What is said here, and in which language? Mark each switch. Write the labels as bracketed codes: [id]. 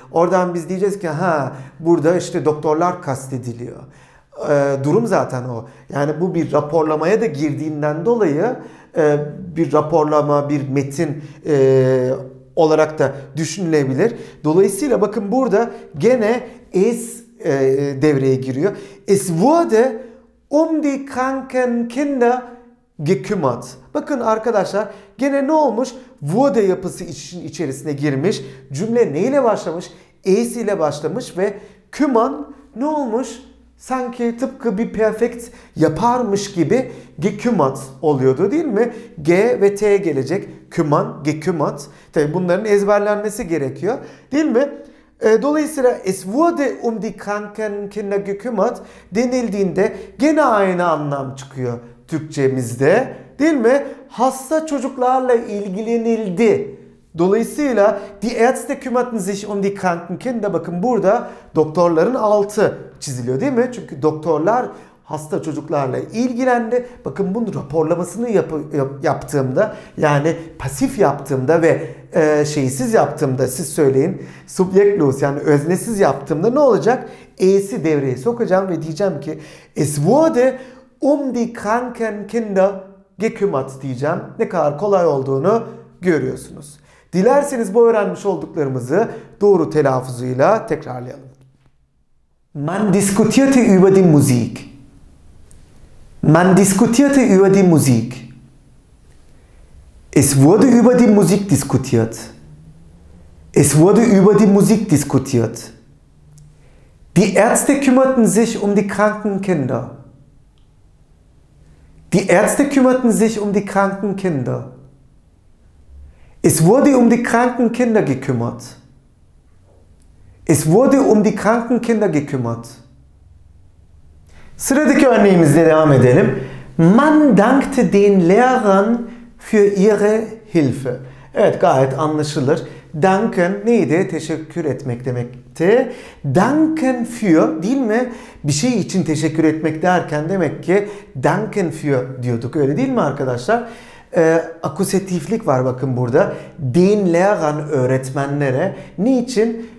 [tr] Oradan biz diyeceğiz ki ha burada işte doktorlar kastediliyor. Durum zaten o. Yani bu bir raporlamaya da girdiğinden dolayı bir raporlama, bir metin olarak da düşünülebilir. Dolayısıyla bakın burada gene es devreye giriyor. [de] Es wurde die kranken Kinder gekümmert. [tr] Bakın arkadaşlar gene ne olmuş? Wurde yapısı içerisine girmiş. Cümle neyle başlamış? Es ile başlamış ve kümmern ne olmuş? Sanki tıpkı bir perfect yaparmış gibi gekümmert oluyordu değil mi? G ve T gelecek. Kümmern, gekümmert. Tabii bunların ezberlenmesi gerekiyor. Değil mi? Dolayısıyla [de] es wurde die kranken Kinder gekümmert [tr] denildiğinde gene aynı anlam çıkıyor Türkçemizde. Değil mi? Hasta çocuklarla ilgilenildi. [de] Dolayısıyla die Ärzte kümmerten sich die kranken Kinder. [tr] Bakın burada doktorların altı çiziliyor değil mi? Çünkü doktorlar hasta çocuklarla ilgilendi. Bakın bunun raporlamasını yaptığımda yani pasif yaptığımda ve şeysiz yaptığımda siz söyleyin subjektlos yani öznesiz yaptığımda ne olacak? E'si devreye sokacağım ve diyeceğim ki [de] es wurde die kranken Kinder gekümmert [tr] diyeceğim. Ne kadar kolay olduğunu görüyorsunuz. Dilerseniz bu öğrenmiş olduklarımızı doğru telaffuzuyla tekrarlayalım. [de] Man diskutierte über die Musik. Man diskutierte über die Musik. Es wurde über die Musik diskutiert. Es wurde über die Musik diskutiert. Die Ärzte kümmerten sich um die kranken Kinder. Die Ärzte kümmerten sich um die kranken Kinder. Es wurde um die kranken Kinder gekümmert. Es wurde um die kranken Kinder gekümmert. [tr] Sıradaki örneğimizle devam edelim. [de] Man dankte den Lehrern für ihre Hilfe. [tr] Evet gayet anlaşılır. Danken neydi? Teşekkür etmek demekti. [de] Danken für [tr] değil mi? Bir şey için teşekkür etmek derken demek ki [de] danken für [tr] diyorduk. Öyle değil mi arkadaşlar? Akusatiflik var bakın burada. [de] Den Lehrern [tr] öğretmenlere. Niçin?